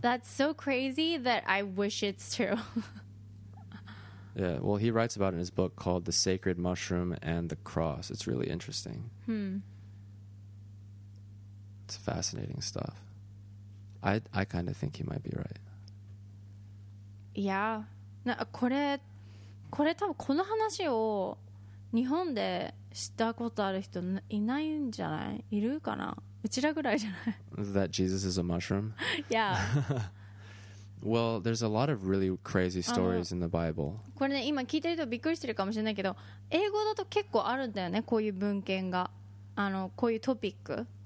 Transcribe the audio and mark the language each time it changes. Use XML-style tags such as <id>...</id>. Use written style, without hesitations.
<en>That's so crazy that I wish it's true. Yeah, well, he writes about it in his book called The Sacred Mushroom and the Cross. It's really interesting. It's fascinating stuff. I kind of think he might be right. Yeah.</en> <ja>なこれ、これ多分この話を日本で知ったことある人いないんじゃない?いるかな?うちらぐらいじゃない?</ja> <en>That Jesus is a mushroom? Yeah. Well, there's a lot of really crazy stories in the Bible.</en> <ja>これね、今聞いてる人びっくりしてるかもしれないけど、英語だと結構あるんだよね、こういう文献が。あの、こういうトピック。</ja>